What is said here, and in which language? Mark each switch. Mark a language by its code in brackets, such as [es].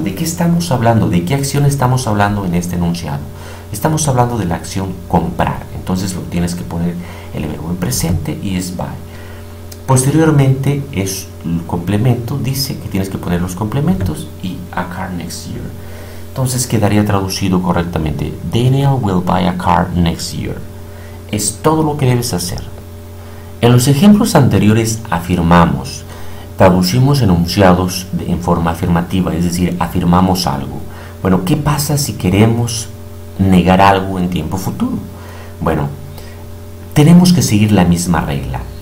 [es] ¿De qué estamos hablando? ¿De qué acción estamos hablando en este enunciado? Estamos hablando de la acción comprar. Entonces lo tienes que poner el verbo en presente y es buy. Posteriormente es el complemento, dice que tienes que poner los complementos y [en] a car next year. [es] Entonces quedaría traducido correctamente. [en] Daniel will buy a car next year. [es] Es todo lo que debes hacer. En los ejemplos anteriores afirmamos. Traducimos enunciados en forma afirmativa, es decir, afirmamos algo. Bueno, ¿qué pasa si queremos negar algo en tiempo futuro? Bueno, tenemos que seguir la misma regla.